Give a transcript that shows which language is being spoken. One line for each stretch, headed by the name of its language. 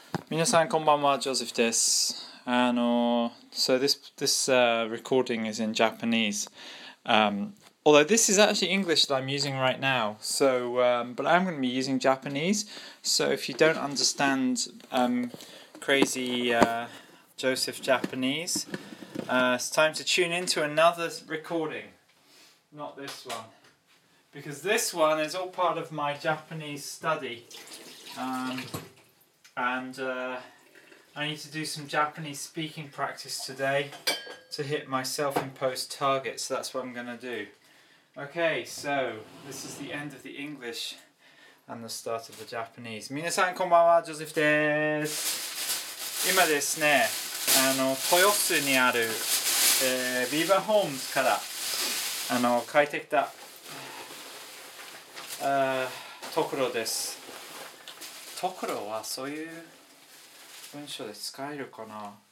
Japanese: 皆さんこんばんは、ジョセフです。
English: So this recording is in Japanese. Although this is actually English that I'm using right now. So, but I'm going to be using Japanese. So if you don't understand crazy Joseph Japanese, it's time to tune into another recording. Not this one. Because this one is all part of my Japanese study. I need to do some Japanese speaking practice today to hit my self-imposed target, so that's what I'm going to do. Okay, so this is the end of the English and the start of the Japanese.
Japanese: 皆さんこんばんは、ジョセフです。今ですね、豊洲にある、ビーバーホームズから書いてきたところです。ところはそういう文章で使えるかな。